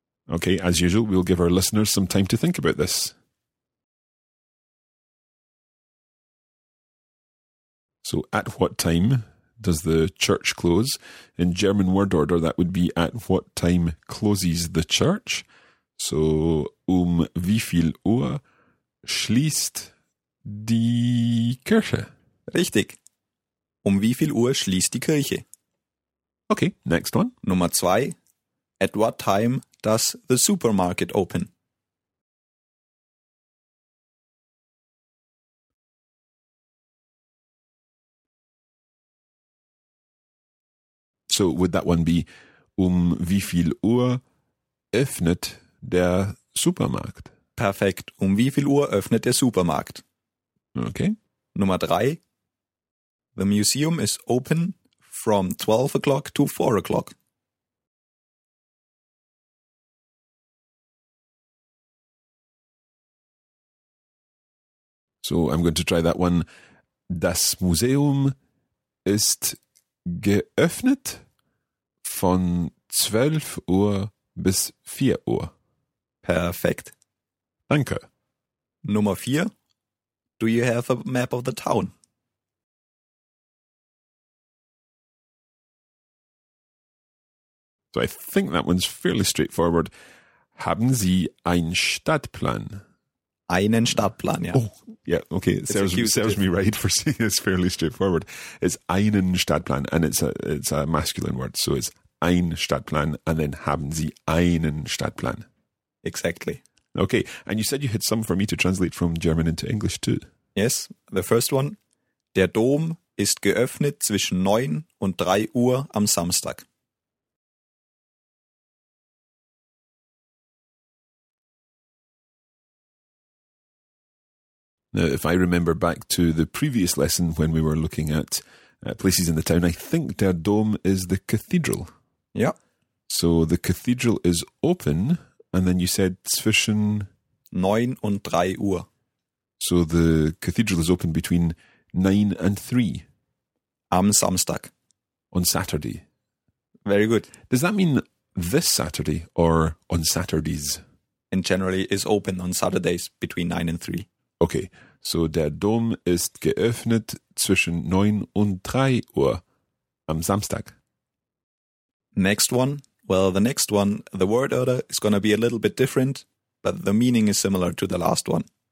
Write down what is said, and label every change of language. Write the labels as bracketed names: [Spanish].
[English] Okay, as usual, we'll give our listeners some time to think about this. So at what time does the church close? In German word order, that would be at what time closes the church? [German] So, wie viel Uhr schließt die Kirche? Richtig. Wie viel Uhr schließt die Kirche? [English] Okay, next one. [German] Nummer zwei. [English] At what time does the supermarket open? So, would that one be [German] wie viel Uhr öffnet der Supermarkt? Perfekt. Wie viel Uhr öffnet der Supermarkt? [English] Okay. [German] Nummer drei. [English] The museum is open from 12 o'clock to 4 o'clock. So I'm going to try that one. [German] Das Museum ist geöffnet von 12 Uhr bis 4 Uhr. Perfekt. Danke. Nummer vier. [English] Do you have a map of the town? So I think that one's fairly straightforward. [German] Haben Sie ein Stadtplan? Einen Stadtplan, ja. [English] Oh, yeah, okay. It serves me right for saying it's fairly straightforward. It's [German] einen Stadtplan, [English] and it's a masculine word. So it's [German] ein Stadtplan, [English] and then [German] haben Sie einen Stadtplan. [English] Exactly. Okay, and you said you had some for me to translate from German into English too. Yes, the first one. [German] Der Dom ist geöffnet zwischen 9 und 3 Uhr am Samstag. [English] Now, if I remember back to the previous lesson when we were looking at places in the town, I think der Dom is the cathedral. Yeah. So the cathedral is open. And then you said zwischen [German] 9 und 3 Uhr. [English] So the cathedral is open between 9 and 3. [German] Am Samstag. [English] On Saturday. Very good. Does that mean this Saturday or on Saturdays? And generally is open on Saturdays between 9 and 3. Okay, so [German] der Dom ist geöffnet zwischen 9 und 3 Uhr am Samstag. [English] Next one. Well, the next one, the word order is going to be a little bit different, but the meaning is similar to the last one.